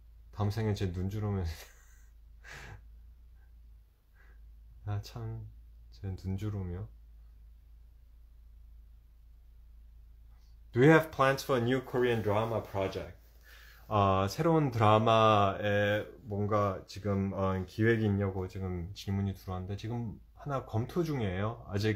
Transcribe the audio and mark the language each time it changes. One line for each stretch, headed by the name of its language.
Korean: 다음 생에 제 눈주름에 아, 참, 제 눈주름이요.
English: Do you have plans for a new Korean drama project?
Korean: 새로운 드라마에 뭔가 지금 기획이 있냐고 지금 질문이 들어왔는데, 지금 하나 검토 중이에요.